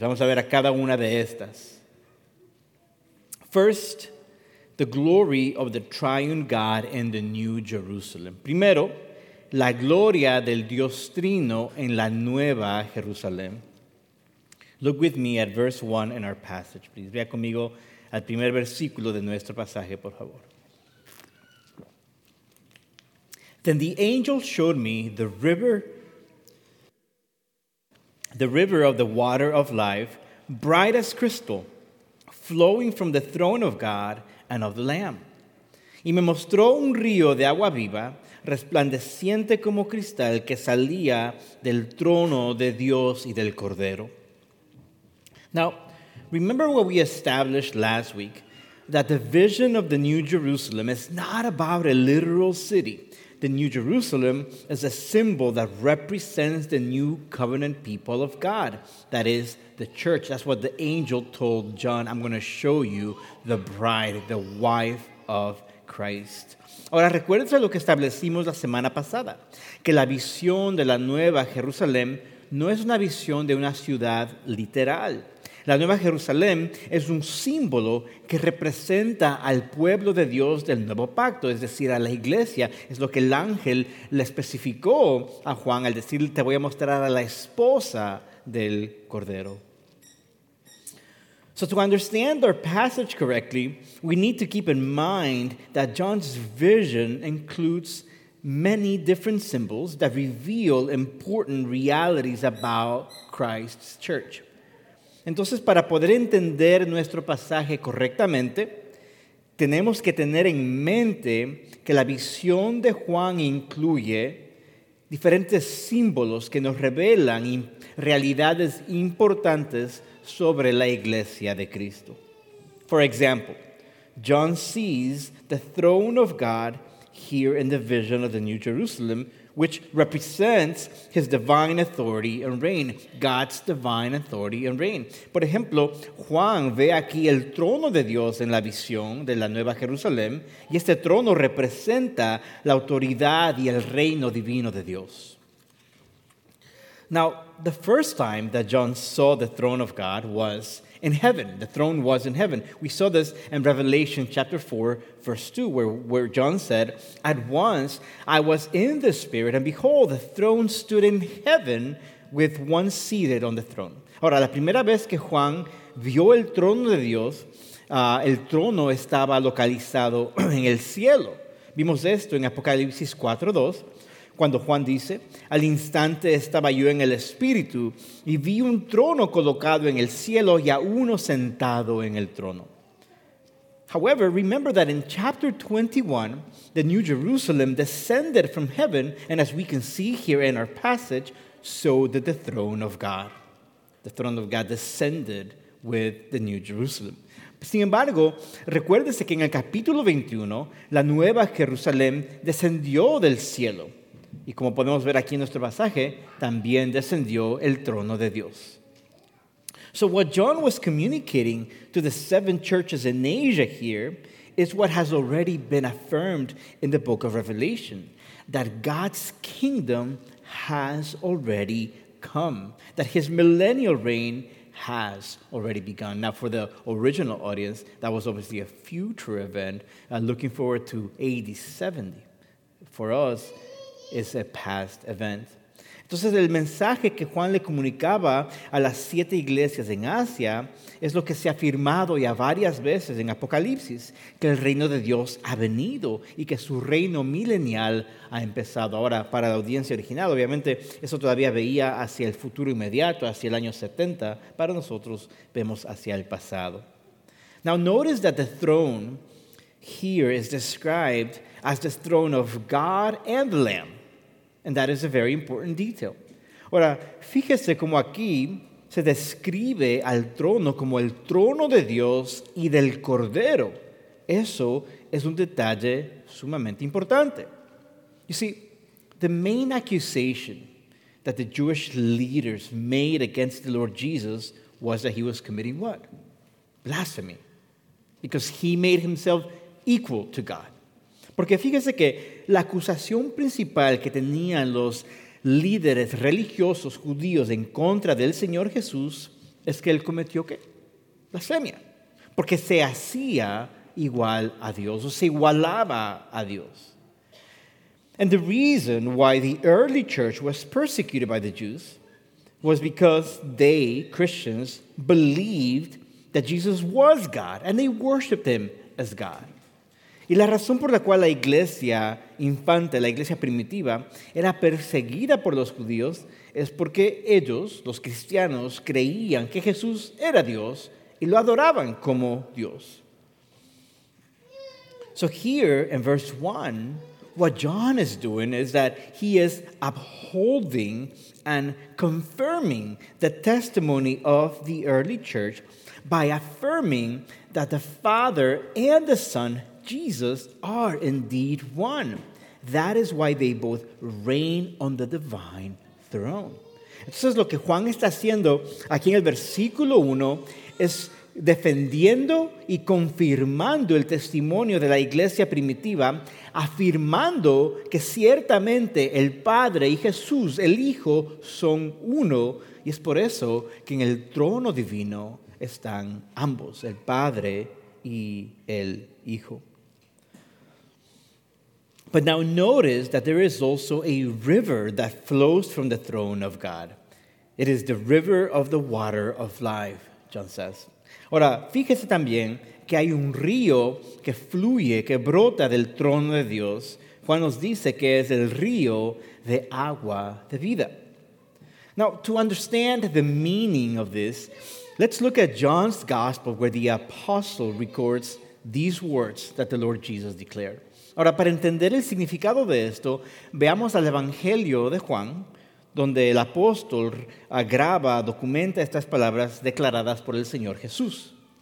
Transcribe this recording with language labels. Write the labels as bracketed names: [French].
[Spanish] Vamos a ver a cada una de estas. [English] First, the glory of the triune God in the New Jerusalem. [Spanish] Primero, la gloria del Dios Trino en la Nueva Jerusalén. [English] Look with me at verse 1 in our passage, please. [Spanish] Vea conmigo al primer versículo de nuestro pasaje, por favor. [English] Then the angel showed me the river of the water of life, bright as crystal, flowing from the throne of God and of the Lamb. [Spanish] Y me mostró un río de agua viva, resplandeciente como cristal, que salía del trono de Dios y del Cordero. [English] Now, remember what we established last week, that the vision of the New Jerusalem is not about a literal city. The New Jerusalem is a symbol that represents the new covenant people of God, that is, the church. That's what the angel told John, I'm going to show you the bride, the wife of Christ. [Spanish] Ahora, recuérdense lo que establecimos la semana pasada, que la visión de la Nueva Jerusalén no es una visión de una ciudad literal. La Nueva Jerusalén es un símbolo que representa al pueblo de Dios del Nuevo Pacto, es decir, a la iglesia. Es lo que el ángel le especificó a Juan al decir, te voy a mostrar a la esposa del Cordero. [English] So to understand our passage correctly, we need to keep in mind that John's vision includes many different symbols that reveal important realities about Christ's church. [Spanish] Entonces, para poder entender nuestro pasaje correctamente, tenemos que tener en mente que la visión de Juan incluye diferentes símbolos que nos revelan realidades importantes sobre la iglesia de Cristo. [English] For example, John sees the throne of God here in the vision of the New Jerusalem, which represents his divine authority and reign, God's divine authority and reign. [Spanish] Por ejemplo, Juan ve aquí el trono de Dios en la visión de la Nueva Jerusalén, y este trono representa la autoridad y el reino divino de Dios. [English] Now, the first time that John saw the throne of God was in heaven. The throne was in heaven. We saw this in Revelation chapter 4, verse 2, where John said, at once I was in the Spirit, and behold, the throne stood in heaven with one seated on the throne. [Spanish] Ahora, la primera vez que Juan vio el trono de Dios, el trono estaba localizado en el cielo. Vimos esto en Apocalipsis 4, 2. Cuando Juan dice, al instante estaba yo en el Espíritu y vi un trono colocado en el cielo y a uno sentado en el trono. [English] However, remember that in chapter 21, the New Jerusalem descended from heaven, and as we can see here in our passage, so did the throne of God. The throne of God descended with the New Jerusalem. [Spanish] Sin embargo, recuérdese que en el capítulo 21, la Nueva Jerusalén descendió del cielo. Y como podemos ver aquí en nuestro pasaje, también descendió el trono de Dios. [English] So what John was communicating to the seven churches in Asia here is what has already been affirmed in the book of Revelation, that God's kingdom has already come, that his millennial reign has already begun. Now, for the original audience, that was obviously a future event, looking forward to AD 70. For us, is a past event. [Spanish] Entonces, el mensaje que Juan le comunicaba a las siete iglesias en Asia es lo que se ha afirmado ya varias veces en Apocalipsis, que el reino de Dios ha venido y que su reino milenial ha empezado. Ahora, para la audiencia original, obviamente, eso todavía veía hacia el futuro inmediato, hacia el año 70. Para nosotros, vemos hacia el pasado. [English] Now, notice that the throne here is described as the throne of God and the Lamb. And that is a very important detail. [Spanish] Ahora, fíjese cómo aquí se describe al trono como el trono de Dios y del Cordero. Eso es un detalle sumamente importante. [English] You see, the main accusation that the Jewish leaders made against the Lord Jesus was that he was committing what? Blasphemy. Because he made himself equal to God. [Spanish] Porque fíjese que la acusación principal que tenían los líderes religiosos judíos en contra del Señor Jesús es que él cometió, ¿qué? Blasfemia. Porque se hacía igual a Dios, o se igualaba a Dios. [English] And the reason why the early church was persecuted by the Jews was because they, Christians, believed that Jesus was God, and they worshipped him as God. [Spanish] Y la razón por la cual la iglesia infante, la iglesia primitiva, era perseguida por los judíos es porque ellos, los cristianos, creían que Jesús era Dios y lo adoraban como Dios. [English] So here in verse 1, what John is doing is that he is upholding and confirming the testimony of the early church by affirming that the Father and the Son, Jesus, are indeed one. That is why they both reign on the divine throne. [Spanish] Entonces, lo que Juan está haciendo aquí en el versículo 1 es defendiendo y confirmando el testimonio de la iglesia primitiva, afirmando que ciertamente el Padre y Jesús, el Hijo, son uno, y es por eso que en el trono divino están ambos, el Padre y el Hijo. [English] But now notice that there is also a river that flows from the throne of God. It is the river of the water of life, John says. [Spanish] Ahora, fíjese también que hay un río que fluye, que brota del trono de Dios. Juan nos dice que es el río de agua de vida. [English] Now, to understand the meaning of this, let's look at John's gospel where the apostle records these words that the Lord Jesus declared. [Spanish] Ahora, para entender el significado de esto, veamos al Evangelio de Juan, donde el apóstol graba, documenta estas palabras declaradas por el Señor Jesús.